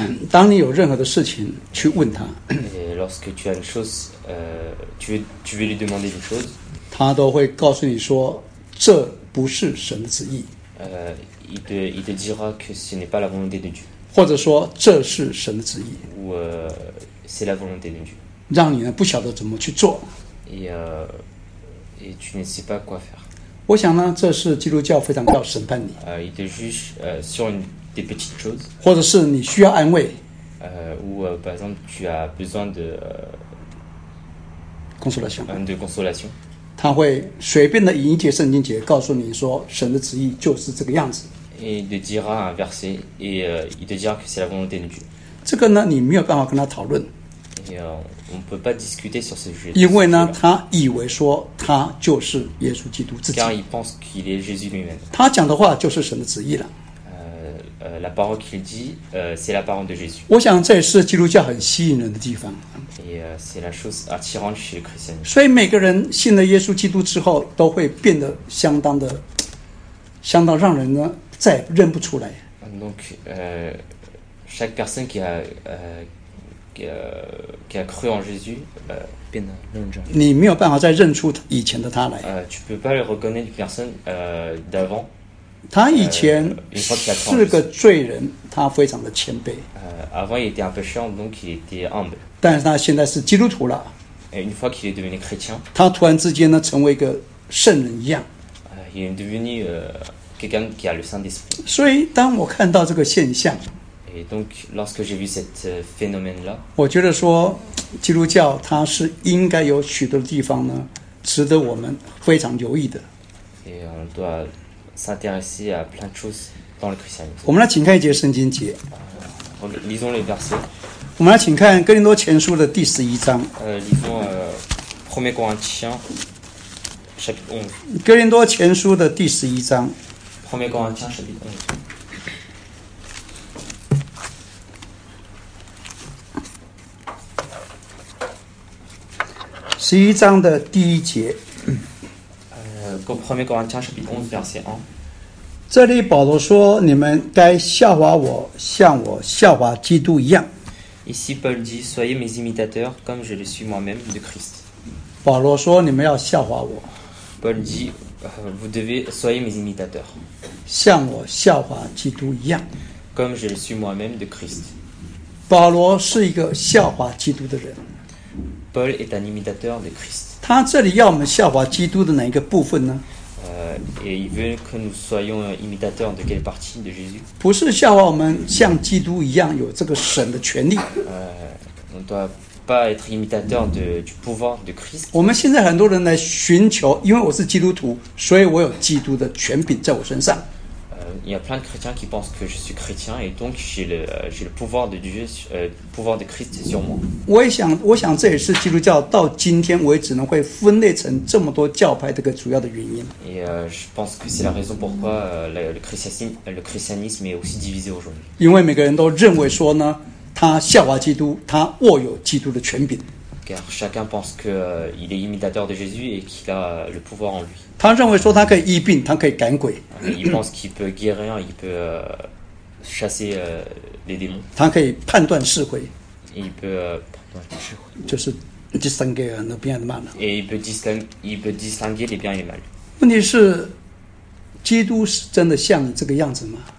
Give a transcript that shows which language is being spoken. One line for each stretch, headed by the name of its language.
Chinese: 当你有任何的事情去问他。
French: Lorsque tu as une chose, tu veux lui demander une chose.
Chinese: 他都会告诉你说，这不是神的旨意。
French: Il te dira que ce n'est pas la volonté de Dieu.
Chinese: 或者说这是神的旨意。
French: Ou c'est la volonté de Dieu.
Chinese: 让你呢不晓得怎么去做。
French: Et tu ne sais pas quoi faire.
Chinese: 我想呢，这是基督教非常要审判你。
French: Il te juge sur des petites choses.
Chinese: 或者是你需要安慰。
French: Ou par exemple, tu as besoin de consolation. De consolation.
Chinese: 他会随便的引一节圣经节，告诉你说神的旨意就是这个样子。
French: Et il te dira un verset et il te dira que c'est la volonté de Dieu.
Chinese: 这个呢，你没有办法跟他讨论。
French: On peut pas discuter sur ce sujet.
Chinese: 因为呢，他以为说他就是耶稣基督自己。
French: Car il pense qu'il est Jésus lui-même.
Chinese: 他讲的话就是神的旨意了。
French: La parole qu'il dit, c'est la parole de Jésus.
Chinese: 我想这也是基督教很吸引人的地方。
French: Et c'est la chose attirante chez les chrétiens.
Chinese: 所以每个人信了耶稣基督之后，都会变得相当让人呢再认不出来。
French: Donc, chaque personne qui a qui a cru en Jésus,
Chinese: 变得认真。你没有办法再认出以前的他来。
French: Tu peux pas le reconnaître personne d'avant.
Chinese: 他以前是个罪人，他非常的谦卑。
French: Avant il était un pécheur, donc il était humble.
Chinese: 但是他现在是基督徒了。
French: Et une fois qu'il est devenu chrétien,
Chinese: 他突然之间呢成为一个圣人一样。
French: Il est devenu quelqu'un qui a le Saint-Esprit.
Chinese: 所以当我看到这个现象。
French: Et donc, lorsque j'ai vu cette phénomène-là,
Chinese: 我觉得说基督教它是应该有许多地方呢值得我们非常留意的。
French: Et on doit s'intéresser à plein de choses dans le christianisme.
Chinese: 我们来请看一节圣经节。
French: Lisons les versets.
Chinese: 我们来请看哥林多前书的第十一章。
French: Lisons premier Corinthiens, chapitre 11.
Chinese: 哥林多前书的第十一章。
French: Premier Corinthiens, chapitre 11.
Chinese: 十一章的第一节。
French: Premier Corinthiens chapitre 11 verset 1。
Chinese: 这里保罗说：“你们该效法我，像我效法基督一样。”
French: Ici Paul dit: Soyez mes imitateurs comme je le suis moi-même de Christ.
Chinese: 保罗说：“你们要效法我。”
French: Paul dit: Vous devez soyez mes imitateurs.
Chinese: 像我效法基督一样。
French: Comme je le suis moi-même de Christ.
Chinese: 保罗是一个效法基督的人。
French: Paul est un imitateur de Christ.
Chinese: 他这里要我们效法基督的哪一个部分呢？
French: Et il veut que nous soyons imitateurs de quelle partie de Jésus?
Chinese: 不是效法我们像基督一样有这个神的权利。
French: On ne doit pas être imitateur du pouvoir de Christ.
Chinese: 我们现在很多人来寻求，因为我是基督徒，所以我有基督的权柄在我身上。
French: il y a plein de chrétiens qui pensent que je suis chrétien et donc j'ai le pouvoir de Dieu, le pouvoir de Christ sur moi.
Chinese: 我想这也是基督教到今天为止呢会分裂成这么多教派的一个主要的原因。
French: Et je pense que c'est la raison pourquoi le christianisme est aussi divisé aujourd'hui.
Chinese: 因为每个人都认为说呢，他效法基督，他握有基督的权柄。
French: Car chacun pense que il est imitateur de Jésus et qu'il a le pouvoir en lui.
Chinese: 他认为说他可以医病，他可以赶鬼。
French: Il pense qu'il peut guérir, il peut chasser les démons.
Chinese: 他可以判断是非。
French: Il peut
Chinese: 判断是非。就是
French: distinguer le bien et le mal. Et il peut distinguer les bien et les mal.
Chinese: 问题是，基督是真的像这个样子吗